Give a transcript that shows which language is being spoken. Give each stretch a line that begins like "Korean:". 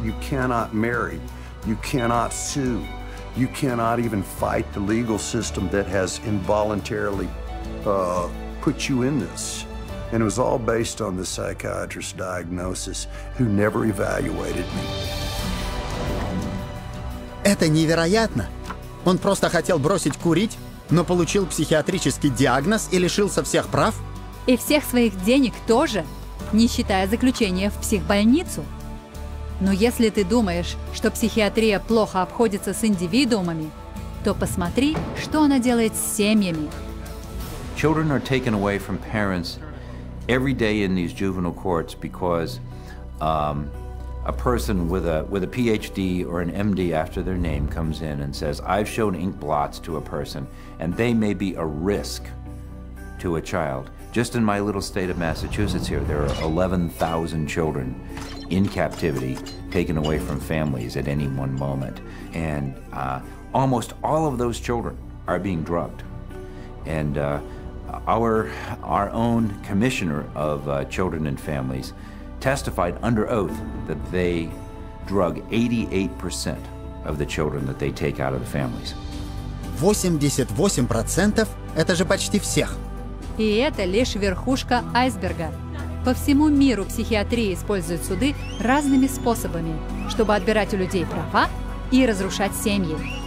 English: You cannot marry. You cannot sue. You cannot even fight the legal system that has involuntarily put you in this. And it was all based on the psychiatrist's diagnosis, who never evaluated me.
Russian: Это невероятно. Он просто хотел бросить курить, но получил психиатрический диагноз и лишился всех прав? И всех своих денег тоже, не считая заключения в психбольницу. Но если ты думаешь, что психиатрия плохо обходится с индивидуумами, то посмотри, что она делает с семьями.
English: Children are taken away from parents every day in these juvenile courts because a person with a PhD or an MD after their name comes in and says, I've shown ink blots to a person, and they may be a risk to a child. Just in my little state of Massachusetts here, there are 11,000 children in captivity, taken away from families at any one moment. And almost all of those children are being drugged. And our own commissioner of children and families testified under oath that they drug 88% of the children that they take out of the families.
Russian: 88% – это же почти всех. И это лишь верхушка айсберга. По всему миру психиатрии используют суды разными способами, чтобы отбирать у людей права и разрушать семьи.